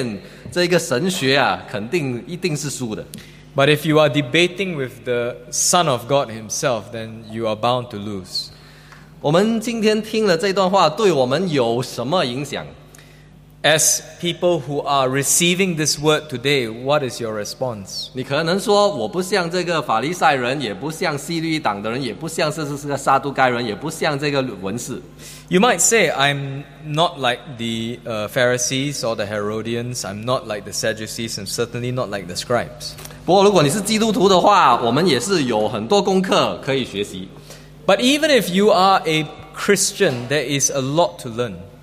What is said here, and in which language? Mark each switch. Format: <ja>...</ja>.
<zh>可是与神的儿子争辩这个神学啊，肯定一定是输的。</zh> <en>But if you are debating with the Son of God himself, then you are bound to lose.</en> <zh>我们今天听了这段话，对我们有什么影响？</zh> <en>As people who are receiving this word today, what is your response?</en> <zh>你可能说我不像这个法利赛人，也不像西律党的人，也不像这个撒都该人，也不像这个文士。</zh> <en>You might say, I'm not like the Pharisees or the Herodians, I'm not like the Sadducees, and certainly not like the scribes.</en> <zh>不过如果你是基督徒的话，我们也是有很多功课可以学习。</zh> <en>But even if you are a Christian, there is a lot to learn.</en>